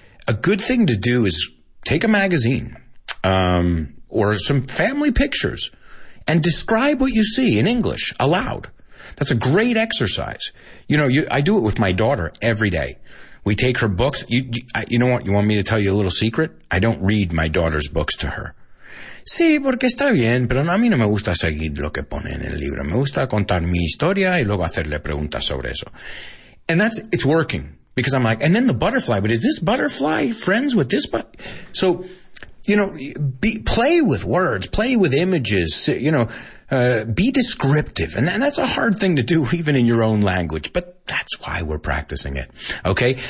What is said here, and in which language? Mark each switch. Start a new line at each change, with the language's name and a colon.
English: A good thing to do is take a magazine, or some family pictures and describe what you see in English aloud. That's a great exercise. You know, I do it with my daughter every day. We take her books. You know what? You want me to tell you a little secret? I don't read my daughter's books to her.
Spanish: Sí, porque está bien, pero a mí no me gusta seguir lo que pone en el libro. Me gusta contar mi historia y luego hacerle preguntas sobre eso.
English: And that's, it's working. Because I'm like, and then the butterfly, but is this butterfly friends with this butterfly? So, you know, play with words, play with images, you know, be descriptive. And that's a hard thing to do even in your own language, but that's why we're practicing it. Okay.